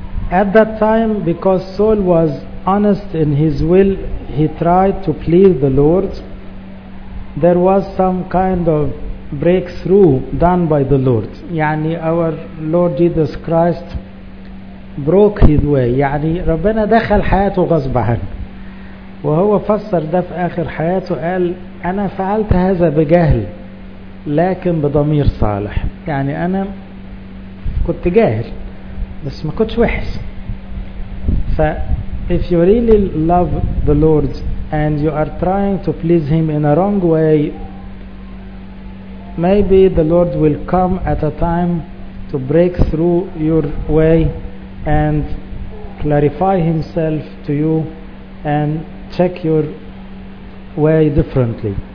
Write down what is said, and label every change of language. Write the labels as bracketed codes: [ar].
[en] At that time, because Saul was honest in his will, he tried to please the Lord. There was some kind of breakthrough done by the Lord. [ar] يعني [en] our Lord Jesus Christ broke His way. [ar] يعني ربنا دخل حياته غصب عنه. وهو فسر ده في آخر حياته، قال أنا فعلت هذا بجهل لكن بضمير صالح. يعني أنا كنت جاهل بس ما كنتش وحش. [en] ف if you really love the Lord and you are trying to please Him in a wrong way, maybe the Lord will come at a time to break through your way and clarify Himself to you and check your way differently.